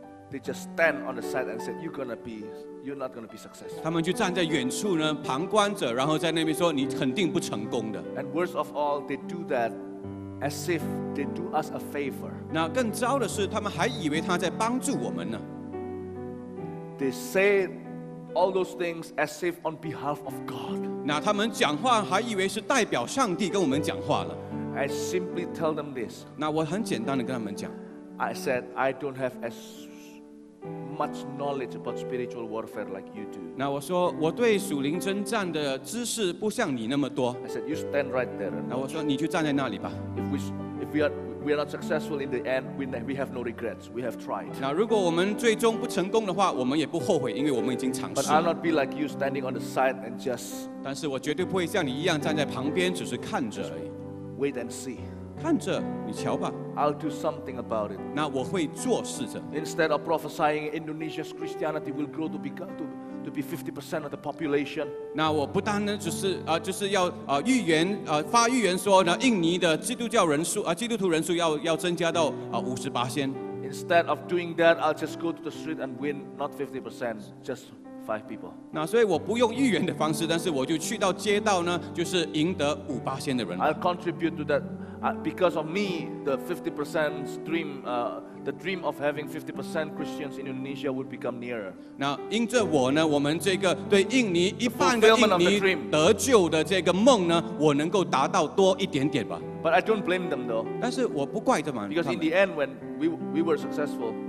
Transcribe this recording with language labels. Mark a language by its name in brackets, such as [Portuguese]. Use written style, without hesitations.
[English] They just stand on the side and said, "You're not gonna be successful." [Chinese] 他们就站在远处呢，旁观者，然后在那边说，你肯定不成功的。 [English] And worst of all, they do that as if they do us a favor. [Chinese] 那更糟的是，他们还以为他在帮助我们呢。 [English] They said. All those things as if on behalf of God. [Chinese] 那他们讲话还以为是代表上帝跟我们讲话了。 [English] I simply tell them this. [Chinese] 那我很简单的跟他们讲。 [English] I said I don't have as much knowledge about spiritual warfare like you do. [Chinese] 那我说我对属灵征战的知识不像你那么多。 [English] I said you stand right there. [Chinese] 那我说你就站在那里吧。 [English] If we are not successful in the end, we have no regrets. We have tried. [Chinese] 那如果我们最终不成功的话，我们也不后悔，因为我们已经尝试了。 [English] But I'll not be like you standing on the side and just. [Chinese] 但是我绝对不会像你一样站在旁边，只是看着而已。 [English] Wait and see. [Chinese] 看着，你瞧吧。 [English] I'll do something about it. [Chinese] 那我会做事着。 [English] Instead of prophesying Indonesia's Christianity will grow to be 50% of the population. [Chinese] 那我不单呢，就是要预言发预言说呢，印尼的基督教人数基督徒人数要增加到50%。 [English] Instead of doing that, I'll just go to the street and win not 50%, just five people. [Chinese] 那所以我不用预言的方式，但是我就去到街道呢，就是赢得5%的人。 [English] I'll contribute to that because of me, the 50% dream. The dream of having 50% Christians in Indonesia would become nearer. [Chinese] 那因着我呢，我们这个对印尼一半的印尼得救的这个梦呢，我能够达到多一点点吧。 [English] But I don't blame them though. [Chinese] 但是我不怪他们。 [English] Because in the end, when we were successful,